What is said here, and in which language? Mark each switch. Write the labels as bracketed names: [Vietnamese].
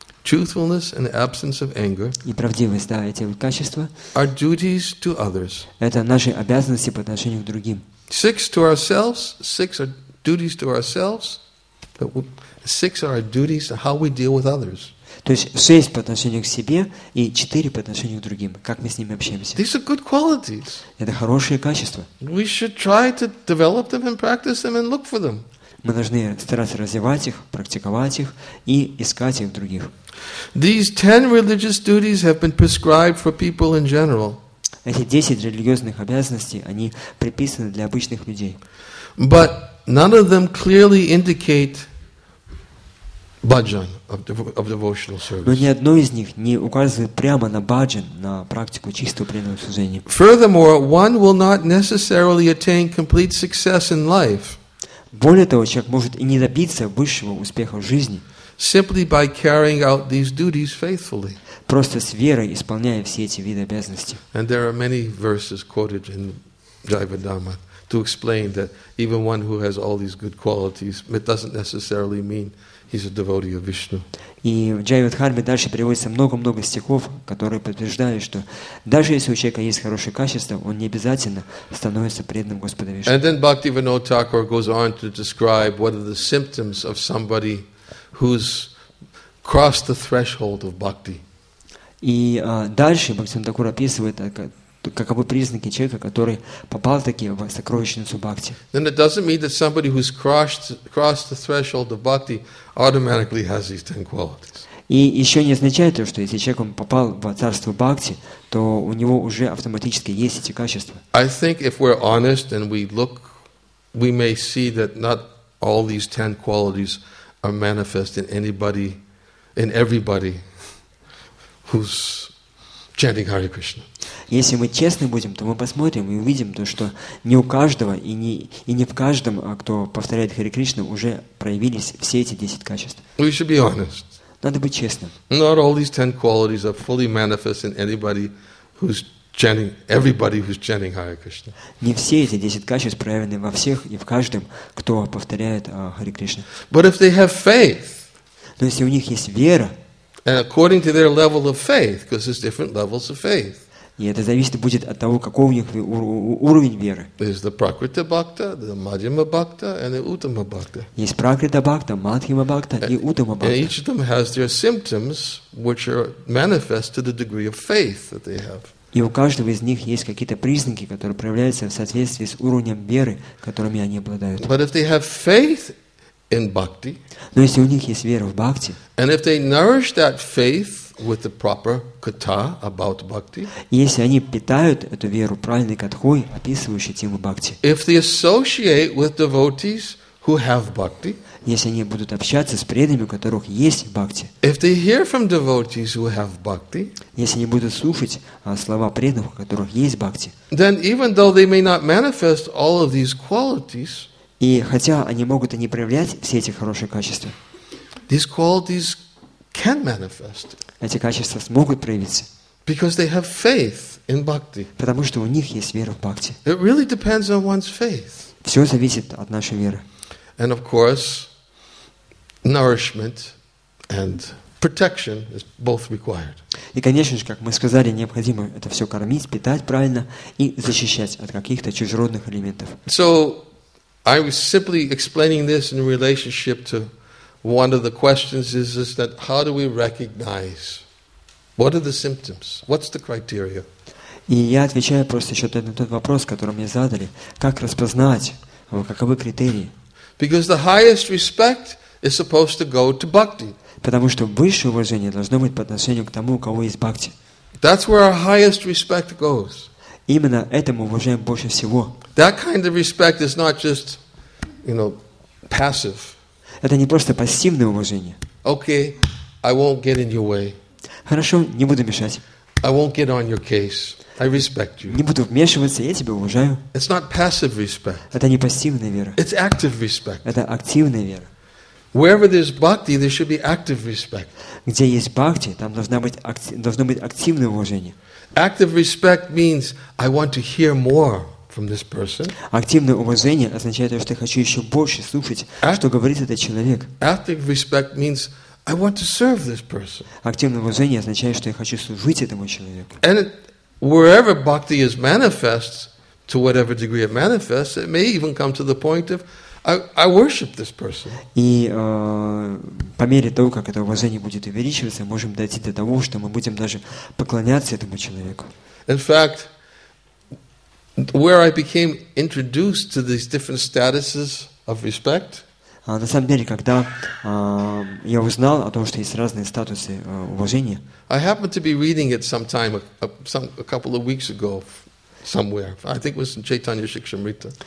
[English] Truthfulness and absence of anger. [Russian] И правдивость, да, эти качества. [English] Are duties to others. [Russian] Это наши обязанности по отношению к другим. [English] Six to ourselves. Six are duties to ourselves. Six are duties to how we deal with others. [Russian] То есть шесть по отношению к себе и четыре по отношению к другим. Как мы с ними общаемся? [English] These are good qualities. [Russian] Это хорошие качества. [English] We should try to develop them and practice them and look for them. [Russian] Мы должны стараться развивать их, практиковать их и искать их в других. [English] These 10 religious duties have been prescribed for people in general. [Russian] Эти 10 религиозных обязанностей, они приписаны для обычных людей. [English] But none of them clearly indicate bhajan of devotional service. [Russian] Но ни одно из них не указывает прямо на bhajan, на практику чистого преданного служения. [English] Furthermore, one will not necessarily attain complete success in life. [Russian] Более того, человек может и не добиться высшего успеха в жизни. [English] Simply by carrying out these duties faithfully. [Russian] Просто с верой исполняя все эти виды обязанностей. [English] And there are many verses quoted in Jivadharma to explain that even one who has all these good qualities, it doesn't necessarily mean he's a devotee of Vishnu. [Russian] И в Джайвадхарме дальше приводится много-много стихов, которые подтверждают, что даже если у человека есть хорошие качества, он не обязательно становится преданным Господа Вишну. [English] And then Bhaktivinoda Thakur goes on to describe what are the symptoms of somebody who's crossed the threshold of bhakti. [Russian] И дальше Бхактивинода Тхакур описывает, каковы признаки человека, который попал таки в сокровищницу бхакти. [English] Then it doesn't mean that somebody who's crossed the threshold of bhakti automatically has these 10 qualities. [Russian] И еще не означает то, что если человек попал в царство бхакти, то у него уже автоматически есть эти качества. [English] I think if we're honest and we look, we may see that not all these 10 qualities are manifest in anybody, in everybody who's chanting Hare Krishna. [Russian] Если мы честны будем, то мы посмотрим и увидим то, что не у каждого и не в каждом, а кто повторяет Харе Кришну, уже проявились все эти 10 качеств. [English] We should be honest. [Russian] Надо быть честным. [English] Not all these 10 qualities are fully manifest in anybody who's chanting, everybody who's chanting Hare Krishna. [Russian] Не все эти 10 качеств проявлены во всех и в каждом, кто повторяет Харе Кришну. [English] But if they have faith. [Russian] Но если у них есть вера. [English] And according to their level of faith, because there's different levels of faith. [Russian] И это зависит будет от того, какой у них уровень веры. [English] There's the Prakriti Bhakta, the Madhyama Bhakta, and the Uttama Bhakta. [Russian] Есть Prakriti Bhakta, Madhyama Bhakta и Uttama Bhakta. [English] And each of them has their symptoms, which are manifest to the degree of faith that they have. [Russian] И у каждого из них есть какие-то признаки, которые проявляются в соответствии с уровнем веры, которыми они обладают. [English] But if they have faith in bhakti. [Russian] Но если у них есть вера в бхакти. [English] And if they nourish that faith with the proper katha about bhakti. [Russian] Если они питают эту веру правильной катхой, описывающей тему бхакти. [English] If they associate with devotees who have bhakti. [Russian] Если они будут общаться с преданными, у которых есть бхакти. [English] If they hear from devotees who have bhakti. [Russian] Если они будут слушать слова преданных, у которых есть бхакти. [English] Then even though they may not manifest all of these qualities. [Russian] И хотя они могут и не проявлять все эти хорошие качества. [English] These qualities can manifest. [Russian] Эти качества смогут проявиться. [English] Because they have faith in bhakti. [Russian] Потому что у них есть вера в бхакти. [English] It really depends on one's faith. [Russian] Все зависит от нашей веры. [English] And of course, nourishment and protection is both required. [Russian] И, конечно же, как мы сказали, необходимо это все кормить, питать правильно и защищать от каких-то чужеродных элементов. [English] So, I was simply explaining this in relationship to one of the questions is that how do we recognize? What are the symptoms? What's the criteria? [Russian] И я отвечаю просто еще на тот вопрос, который мне задали. Как распознать? Каковы критерии? [English] Because the highest respect is supposed to go to bhakti. [Russian] Потому что высшее уважение должно быть по отношению к тому, у кого есть бхакти. [English] That's where our highest respect goes. [Russian] Именно этому уважаем больше всего. [English] That kind of respect is not just, you know, passive. [Russian] Это не просто пассивное уважение. [English] Okay, I won't get in your way. [Russian] Хорошо, не буду мешать. [English] I won't get on your case. I respect you. [Russian] Не буду вмешиваться, я тебя уважаю. [English] It's not passive respect. [Russian] Это не пассивная вера. [English] It's active respect. [Russian] Это активная вера. [English] Wherever there's bhakti, there should be active respect. [Russian] Где есть бхакти, там должно быть активное уважение. [English] Active respect means I want to hear more from this person. [Russian] Активное уважение означает, что я хочу еще больше слушать, что говорит этот человек. [English] Active respect means I want to serve this person. [Russian] Активное уважение означает, что я хочу служить этому человеку. [English] And wherever bhakti is manifest, to whatever degree it manifests, it may even come to the point of I worship this person. [Russian] И по мере того, как это уважение будет увеличиваться, можем дойти до того, что мы будем даже поклоняться этому человеку. [English] In fact, where I became introduced to these different statuses of respect. [Russian] На самом деле, когда я узнал о том, что есть разные статусы уважения. [English] I happened to be reading it sometime a couple of weeks ago. Somewhere, I think it was in Chaitanya Shikshamrita.